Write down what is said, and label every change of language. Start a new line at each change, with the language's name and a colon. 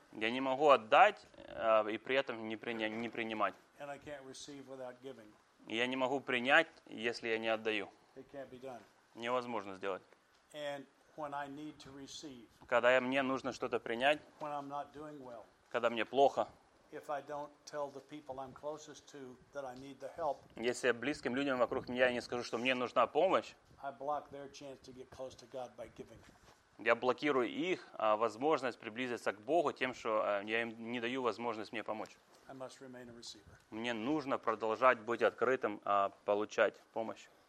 Russian: Я не могу отдать и при этом не принимать.
English: And I can't receive without giving.
Russian: Я не могу принять, если я не отдаю.
English: It can't be done.
Russian: Невозможно сделать.
English: And when I need to receive.
Russian: Когда мне нужно что-то принять.
English: When I'm not doing well.
Russian: Когда мне плохо.
English: If I don't tell the people I'm closest to that I need the help.
Russian: Если я близким людям вокруг меня не скажу, что мне нужна помощь.
English: I block their chance to get close to God by giving.
Russian: Я блокирую их возможность приблизиться к Богу тем, что я им не даю возможность мне помочь.
English: I must remain a receiver.
Russian: Мне нужно продолжать быть открытым, получать помощь.